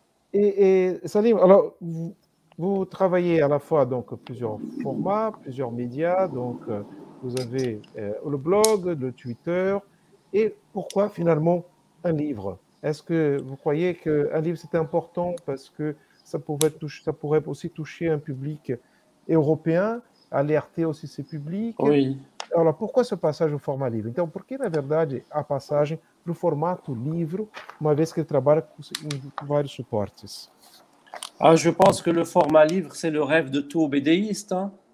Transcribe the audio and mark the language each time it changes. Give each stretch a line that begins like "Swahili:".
French: Et Salim, alors, vous travaillez à la fois donc, plusieurs formats, plusieurs médias, donc vous avez le blog, le Twitter, et pourquoi finalement un livre? Est-ce que vous croyez qu'un livre c'était important parce que ça pourrait aussi toucher un public européen, alerter aussi ses publics? Oui. Alors pourquoi ce passage au format livre?
Portuguese: Então, por que, na verdade, a passagem para o formato livro, uma vez que ele trabalha com vários suportes?
French: Ah, je pense que le format livre, c'est le rêve de tout BDiste. Hein?